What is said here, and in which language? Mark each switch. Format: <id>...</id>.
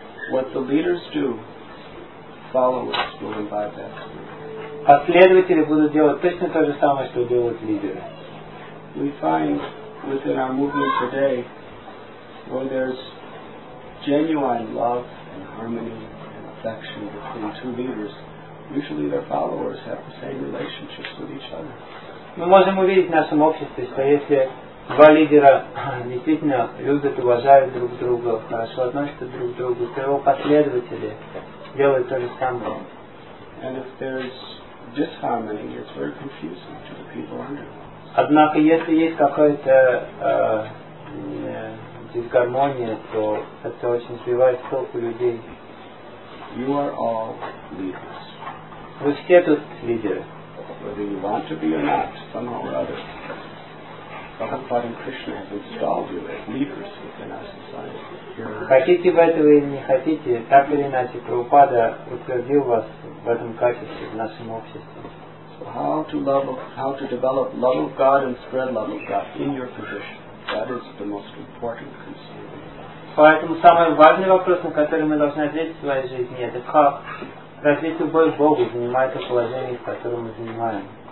<en>What the leaders do, followers will embody that.</en> <ru>Последователи будут делать точно то же самое, что делают лидеры.</ru> <en>We find within our movement today, where there's genuine love and harmony and affection between two leaders. Usually their followers have the same relationships with each other.</en> <ru>Мы можем увидеть в нашем обществе, что если два лидера действительно любят, уважают друг друга, хорошо относятся друг к другу, то его последователи делают то же самое.</ru> <en>And if there's disharmony, it's very confusing to the people under.</en> <ru>Однако, если есть какая-то дисгармония, то это очень сбивает с толку людей.</ru> <en>You are all leaders.</en> <ru>Вы все тут лидеры.</ru> <en>Whether you want to be or not, somehow or other. Prabhupada and Krishna have installed you as leaders within our society.</en> <ru>Хотите вы этого или не хотите, так или иначе, Прабхупада утвердил вас в этом качестве в нашем обществе.</ru> <en>So how to develop love of God and spread love of God in your position? That is the most important concern.</en> <ru>Поэтому самый важный вопрос, на который мы должны ответить в своей жизни, это как развить любовь к Богу, занимая то положение, в котором мы занимаем.</ru>